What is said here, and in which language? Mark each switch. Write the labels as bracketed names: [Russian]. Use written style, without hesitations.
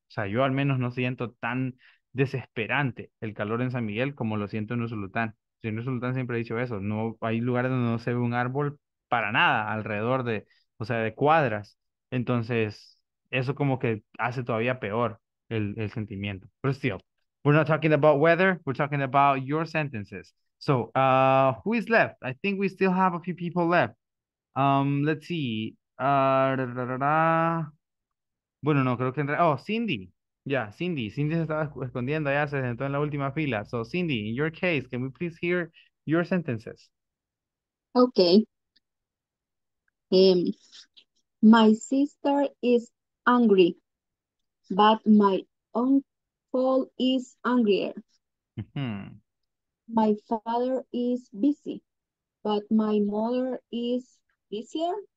[Spanish] O sea, yo al menos no siento tan desesperante el calor en San Miguel como lo siento en Usulután. Yo en Usulután siempre he dicho eso, no hay lugares donde no se ve un árbol para nada alrededor de, o sea, de cuadras. Entonces, eso como que hace todavía peor el sentimiento. [English] Pero still, we're not talking about weather, we're talking about your sentences. So, who is left? I think we still have a few people left. Let's see. [Spanish] Bueno, no, creo que en realidad. Oh, Cindy. Ya, Cindy. Cindy se estaba escondiendo allá, se sentó en la última fila. [English] So, Cindy, in your case, can we please hear your sentences? Okay. My sister is angry, but my uncle is angrier. My father is busy, but my mother is busier.